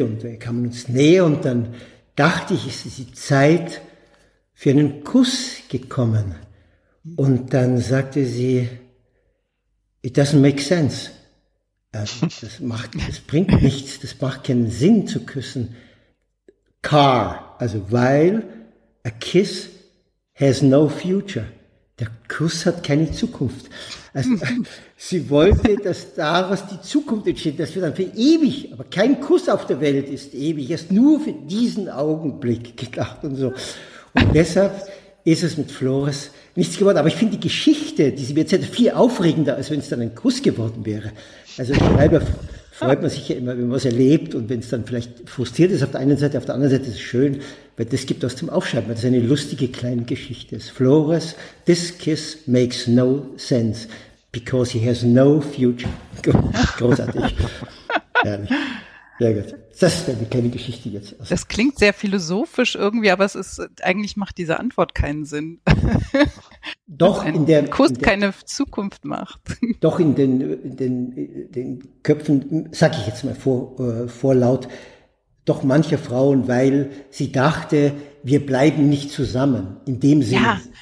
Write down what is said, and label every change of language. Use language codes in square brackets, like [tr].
[de] Und wir kamen uns näher und dann dachte ich, es ist die Zeit für einen Kuss gekommen. Und dann sagte sie, [en] it doesn't make sense. [de] Das bringt nichts, das macht keinen Sinn zu küssen. [en] Car, [de] also weil [en] a kiss has no future. [de] Der Kuss hat keine Zukunft. Also, sie wollte, dass daraus die Zukunft entsteht, dass wir dann für ewig, aber kein Kuss auf der Welt ist ewig, erst nur für diesen Augenblick gedacht und so. Und deshalb ist es mit Flores nichts geworden. Aber ich finde die Geschichte, die sie mir erzählt, viel aufregender, als wenn es dann ein Kuss geworden wäre. Also leider freut man sich ja immer, wenn man was erlebt und wenn es dann vielleicht frustriert ist auf der einen Seite, auf der anderen Seite ist es schön, weil das gibt was zum Aufschreiben, weil das eine lustige kleine Geschichte ist. [en] Flores, this kiss makes no sense because he has no future. [de] Großartig. Herrlich. Sehr gut. Das ist eine kleine Geschichte jetzt. Das klingt sehr philosophisch irgendwie, aber eigentlich macht diese Antwort keinen Sinn. Doch, in der Kuss keine Zukunft macht. Doch, in den Köpfen, sag ich jetzt mal vorlaut, doch manche Frauen, weil sie dachte, wir bleiben nicht zusammen, in dem Sinne.